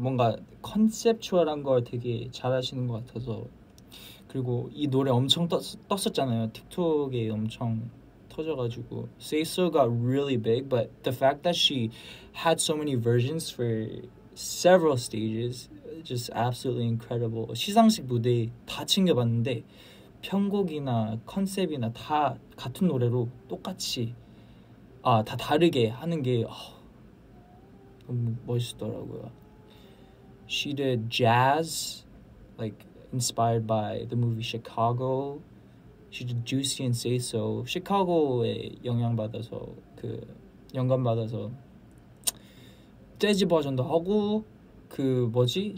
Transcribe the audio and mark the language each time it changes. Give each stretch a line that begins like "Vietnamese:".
Korean: 뭔가 컨셉추얼한 걸 되게 잘하시는 것 같아서. 그리고 이 노래 엄청 떴었잖아요. 틱톡에 엄청 터져가지고.
English: Say So got really big, but the fact that she had so many versions for several stages, just absolutely incredible.
Korean: 시상식 무대 다 챙겨봤는데 편곡이나 컨셉이나 다 같은 노래로 똑같이 아, 다 다르게 하는 게 너무 멋있더라고요.
English: She did jazz, like inspired by the movie Chicago. She did Juicy and Say So.
Korean: Chicago에 영향받아서 그 영감받아서 재즈 버전도 하고 그 뭐지?